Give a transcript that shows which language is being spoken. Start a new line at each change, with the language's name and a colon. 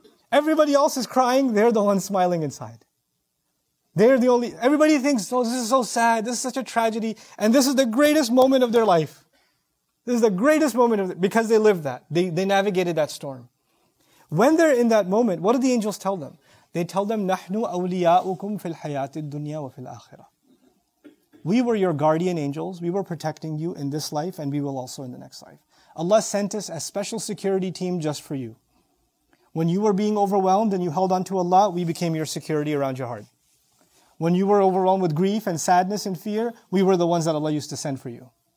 English: Everybody else is crying, they're the ones smiling inside. They're the only, everybody thinks, oh, this is so sad, this is such a tragedy, and this is the greatest moment of their life. This is the greatest moment of because they lived that. They navigated that storm. When they're in that moment, what do the angels tell them? They tell them,
Arabic: نَحْنُ أَوْلِيَاءُكُمْ فِي الْحَيَاةِ الدُّنْيَا وَفِي الْآخِرَةِ.
English: We were your guardian angels. We were protecting you in this life and we will also in the next life. Allah sent us a special security team just for you. When you were being overwhelmed and you held on to Allah, we became your security around your heart. When you were overwhelmed with grief and sadness and fear, we were the ones that Allah used to send for you.